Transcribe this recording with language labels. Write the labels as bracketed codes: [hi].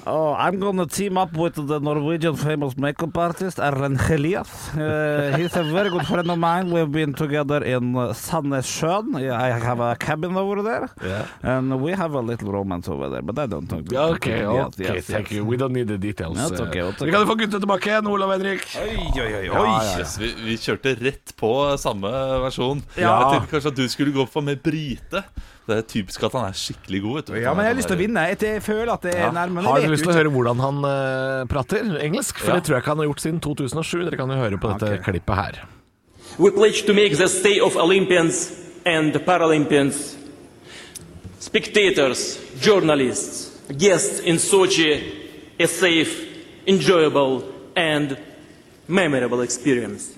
[en] Oh, I'm going to team up with the Norwegian famous makeup artist Erlend Helias. He's a very good friend of mine. We've been together in Sandnessjøen. I have a cabin over there. Yeah. And we have a little romance over there, but I don't think we can. Okay, okay, yes, yes, thank you. We don't need the details. No, it's okay, [no] Vi kan få guttet tilbake igjen, Olav Henrik. Oi, oi, oi. Yes, vi kjørte rett på samme versjon. Ja. Jeg tenkte kanskje at du skulle gå for med Brite. Det typisk at han skikkelig god, vet du. Ja, men jeg har lyst til å vinne. Jeg føler at det er nærmere. Har du lyst til å høre hvordan han prater engelsk? For det tror jeg ikke han har gjort siden 2007. Dere kan jo høre på dette klippet her. [en] We pledge to make the stay of Olympians and Paralympians, spectators, journalists, guests in Sochi, a safe, enjoyable and memorable experience.